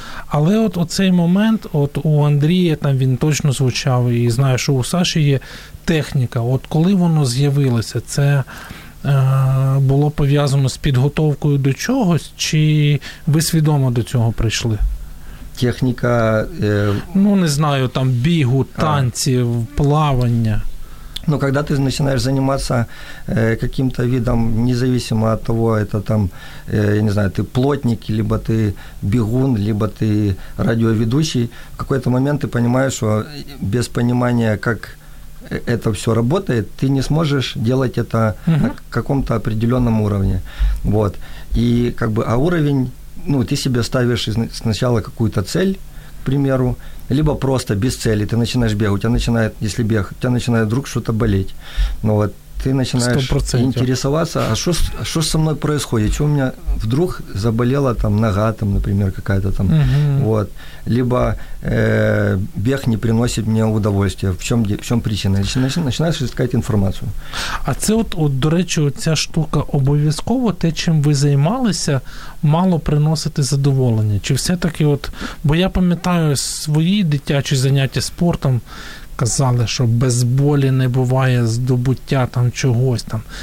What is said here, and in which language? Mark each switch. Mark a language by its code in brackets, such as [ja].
[uk] Але от оцей момент, от у Андрія там він точно звучав, і знаю, що у Саші є техніка. От коли воно з'явилося, це було пов'язано з підготовкою до чогось, чи ви свідомо до цього прийшли? Техніка... Ну, не знаю, там бігу, танців, плавання. [ru] Ну, когда ты начинаешь заниматься каким-то видом, независимо от того, это там, я не знаю, ты плотник, либо ты бегун, либо ты радиоведущий, в какой-то момент ты понимаешь, что без понимания, как это все работает, ты не сможешь делать это на каком-то определенном уровне. Вот. И как бы, а уровень, ну, ты себе ставишь сначала какую-то цель, к примеру, либо просто без цели ты начинаешь бегать, у тебя начинает, если бег, у тебя начинает вдруг что-то болеть. Ну вот, ты начинаешь 100%. Интересоваться, а что со мной происходит, что у меня вдруг заболела там нога, там, например, какая-то там, вот. Либо бег не приносит мне удовольствия, в чем причина. Начинаешь искать информацию. [uk] А це от до речі, ця штука обов'язково, те, чим ви займалися, мало приносити задоволення. Чи все-таки от, бо я пам'ятаю свої дитячі заняття спортом, казали, що без болі не буває здобуття там чогось там.